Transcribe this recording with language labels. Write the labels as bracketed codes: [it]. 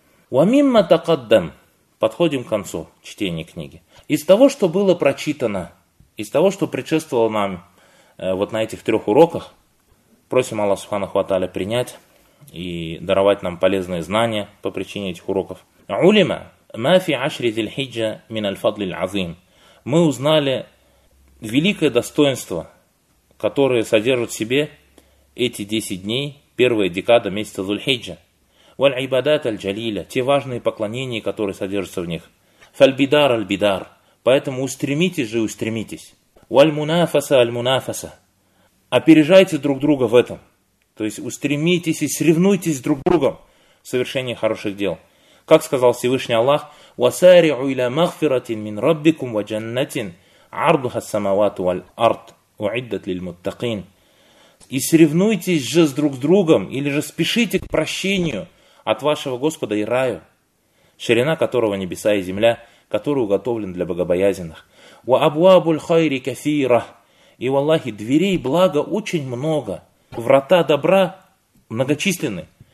[ar] وَمِمَّ تَقَدَّمْ. [ru] Подходим к концу чтения книги. Из того, что было прочитано, из того, что предшествовало нам вот на этих трех уроках, просим Аллах Субханаху ва Тааля принять и даровать нам полезные знания по причине этих уроков. [ar] علم ما في عشر ذي الحجه من الفضل العظيم. [ru] Мы узнали великое достоинство, которое содержит в себе эти 10 дней, первая декада месяца Зульхиджа. [ar] Валь-Ибадат аль-Джалиля, [ru] те важные поклонения, которые содержатся в них. [ar] Фаль-Бидар аль-Бидар, [ru] поэтому устремитесь же и устремитесь. [ar] Валь-Мунафаса аль-Мунафаса, [ru] опережайте друг друга в этом. То есть устремитесь и соревнуйтесь друг с другом в совершении хороших дел. Как сказал Всевышний Аллах, [ar] وَسَارِعُوا إِلَى مَغْفِرَةٍ مِّن رَبِّكُمْ وَجَنَّةٍ عَرْضُهَا السَّمَوَاتُ وَالْأَرْضُ أُعِدَّتْ لِلْمُتَّقِينَ. [ru] И соревнуйтесь же друг с другом, или же спешите к прощению от вашего Господа и раю, ширина которого небеса и земля, который уготовлен для богобоязненных. [ar] وَأَبْوَابُ الْخَيْرِ كَثِيرَةٍ. [ru] И, валлахи, дверей блага очень много, врата добра многочисленны.